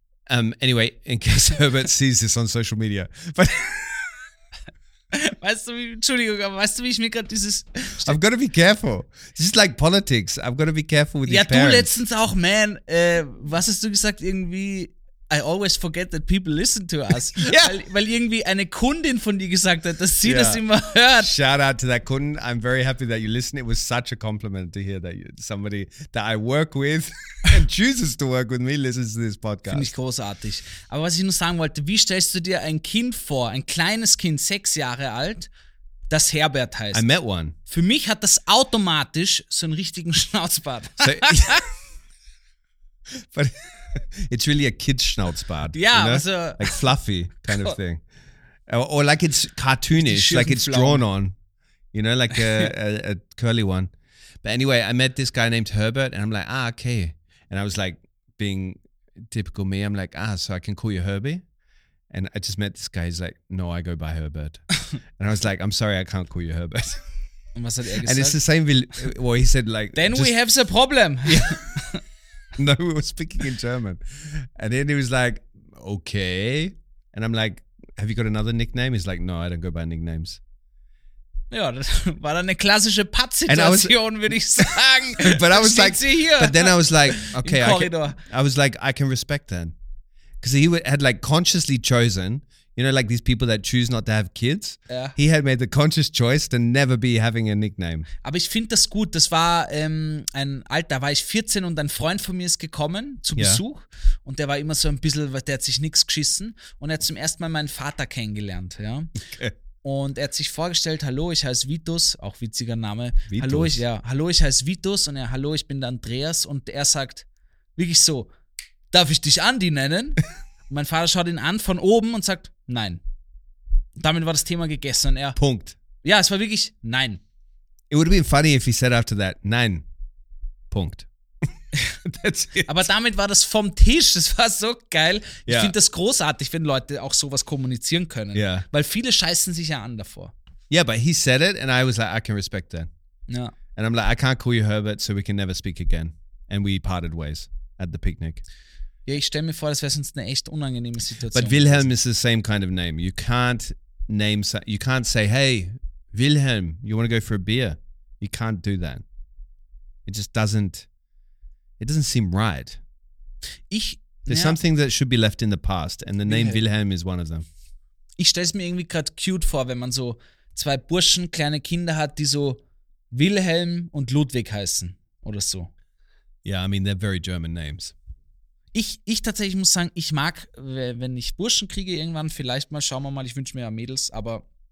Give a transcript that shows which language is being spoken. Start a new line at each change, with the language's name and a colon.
English: Anyway, in case Herbert sees this on social media. But I've got to be careful. This is like politics. I've got to be careful with these parents.
German: Ja, du letztens auch, man. Was hast du gesagt? Irgendwie,
English: I always forget that people listen to us. Yeah.
German: Weil irgendwie eine Kundin von dir gesagt hat, dass sie das immer hört.
English: Shout out to that Kundin. I'm very happy that you listen. It was such a compliment to hear that somebody that I work with and chooses to work with me listens to this podcast.
German: Finde ich großartig. Aber was ich nur sagen wollte, wie stellst du dir ein Kind vor, ein kleines Kind, 6 Jahre alt, das Herbert heißt?
English: I met one.
German: Für mich hat das automatisch so einen richtigen Schnauzbart.
English: But it's really a kid's Schnauzbart. Yeah, you know? Also, like fluffy kind of thing. Or like it's cartoonish, like it's drawn on. You know, like a curly one. But anyway, I met this guy named Herbert and I'm like, ah, okay. And I was like, being typical me, I'm like, ah, so I can call you Herbie? And I just met this guy. He's like, no, I go by Herbert. And I was like, I'm sorry, I can't call you Herbert.
German: Und was hat gesagt?
English: And it's the same, well, he said like... Then just, we have the problem. Yeah. No, we were speaking in German. And then he was like, okay. And I'm like, have you got another nickname? He's like, no, I don't go by nicknames.
German: Ja, das war dann eine klassische Patt-Situation, würde ich sagen.
English: But I was like, I was like, I can respect that. Because he had like consciously chosen, you know, like these people that choose not to have kids. Yeah. He had made the conscious choice to never be having a nickname.
German: Aber ich finde das gut. Das war ein Alter, war ich 14 und ein Freund von mir ist gekommen zu Besuch. Yeah. Und der war immer so ein bisschen, der hat sich nichts geschissen. Und er hat zum ersten Mal meinen Vater kennengelernt. Ja. Okay. Und er hat sich vorgestellt, hallo, ich heiße Vitus, auch witziger Name. Vitus. Hallo, ich heiße Vitus und er, hallo, ich bin der Andreas. Und er sagt wirklich so, darf ich dich Andi nennen? Und mein Vater schaut ihn an von oben und sagt, nein. Und damit war das Thema gegessen. Und er, Punkt. Ja, es war wirklich, nein.
English: It would have been funny if he said after that,
German: nein, Punkt.
English: That's it.
German: Aber damit war das vom Tisch, das war so geil. Ich finde das großartig, wenn Leute auch sowas kommunizieren können.
English: Yeah.
German: Weil viele scheißen sich ja an davor.
English: Yeah, but he said it and I was like, I can respect that. Yeah. And I'm like, I can't call you Herbert, so we can never speak again. And we parted ways at the picnic.
German: Ja, ich stelle mir vor, das wäre sonst eine echt unangenehme Situation.
English: But Wilhelm is the same kind of name. You can't name, you can't say, hey, Wilhelm, you want to go for a beer? You can't do that. It just doesn't. It doesn't seem right. There's something that should be left in the past and the name Wilhelm is one of them.
German: Ich stelle es mir irgendwie gerade cute vor, wenn man so zwei Burschen, kleine Kinder hat, die so Wilhelm und Ludwig heißen oder so.
English: Yeah, I mean, they're very German names.
German: Ich tatsächlich muss sagen, ich mag, wenn ich Burschen kriege irgendwann, vielleicht mal, schauen wir mal, ich wünsche mir ja Mädels, aber